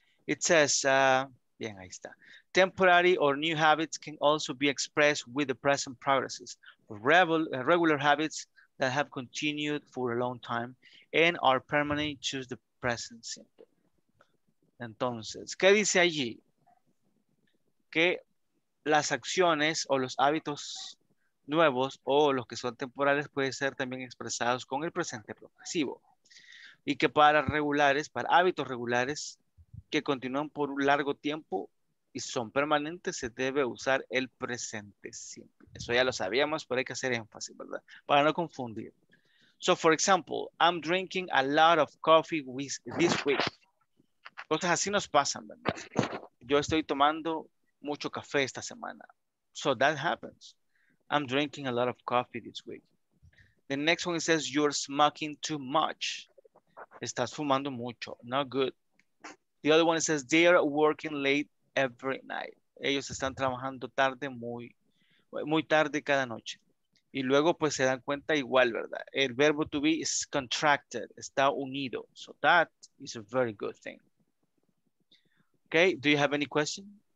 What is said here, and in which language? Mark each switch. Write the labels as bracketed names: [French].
[English] It says, [Spanish] bien, ahí está. [English] Temporary or new habits can also be expressed with the present progresses. Regular habits that have continued for a long time and are permanent to the present simple. [Spanish] Entonces, ¿qué dice allí? Que las acciones o los hábitos nuevos o los que son temporales pueden ser también expresados con el presente progresivo. Y que para regulares, para hábitos regulares que continúan por un largo tiempo y son permanentes, se debe usar el presente simple. Eso ya lo sabíamos, pero hay que hacer énfasis, ¿verdad? Para no confundir. [English] So, for example, I'm drinking a lot of coffee this week. [Spanish] Cosas así nos pasan, ¿verdad? Yo estoy tomando mucho café esta semana. [English] So, that happens. I'm drinking a lot of coffee this week. The next one says, you're smoking too much. [Spanish] Estás fumando mucho. [English] Not good. The other one says, they're working late every night. [Spanish] Ellos están trabajando tarde, muy tarde cada noche. Y luego pues se dan cuenta igual, ¿verdad? El verbo [English] to be is contracted, [Spanish] está unido. [English] So that is a very good thing. Okay, do you have any question?